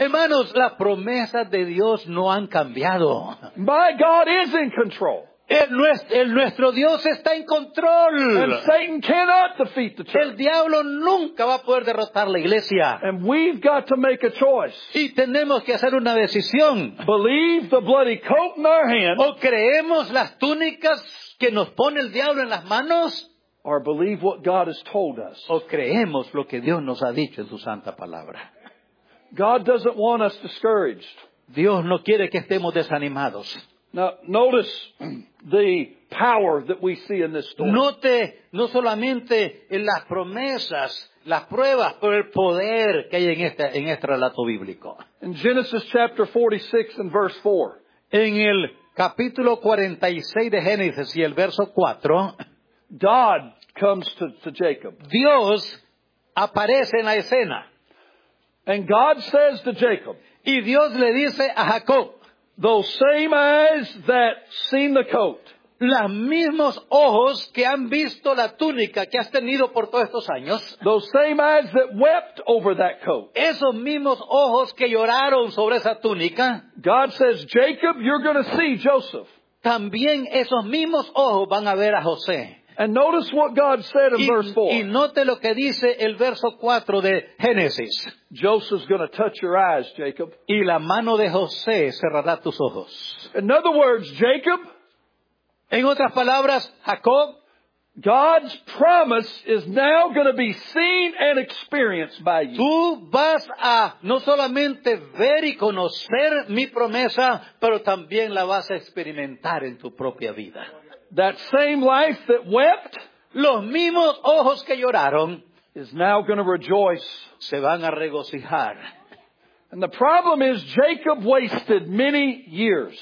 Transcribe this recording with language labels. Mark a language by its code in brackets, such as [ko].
[es] Hermanos, las promesas de Dios no han cambiado. [en] My God is in control. [es] Nuestro Dios está en control. [en] And Satan cannot defeat the church. [es] El diablo nunca va a poder derrotar la iglesia. [en] And we've got to make a choice. [es] Y tenemos que hacer una decisión. [en] Believe the bloody coat in our hand, [es] o creemos las túnicas que nos pone el diablo en las manos, [en] or believe what God has told us. [es] O creemos lo que Dios nos ha dicho en su santa palabra. [en] God doesn't want us discouraged. [es] Dios no quiere que estemos desanimados. [en] Now, notice the power that we see in this story. [es] Note no solamente en las promesas, las pruebas, pero el poder que hay en este relato bíblico. [en] In Genesis chapter 46 and verse 4. [es] En el capítulo 46 de Génesis y el verso 4. [en] God comes to Jacob. [es] Dios aparece en la escena. [en] And God says to Jacob. [es] Y Dios le dice a Jacob. [en] Those same eyes that seen the coat. [es] Los mismos ojos que han visto la túnica que has tenido por todos estos años. [en] Those same eyes that wept over that coat. [es] Esos mismos ojos que lloraron sobre esa túnica. [en] God says, Jacob, you're going to see Joseph. [es] También esos mismos ojos van a ver a José. [en] And notice what God said in verse 4. [es] Y note lo que dice el verso 4 de Génesis. [en] Joseph's going to touch your eyes, Jacob. [es] Y la mano de José cerrará tus ojos. [en] In other words, Jacob. [es] En otras palabras, Jacob. [en] God's promise is now going to be seen and experienced by you. [es] Tú vas a no solamente ver y conocer mi promesa, pero también la vas a experimentar en tu propia vida. [en] That same life that wept, [es] los mismos ojos que lloraron, [en] is now going to rejoice. [es] Se van a regocijar. [en] And the problem is Jacob wasted many years.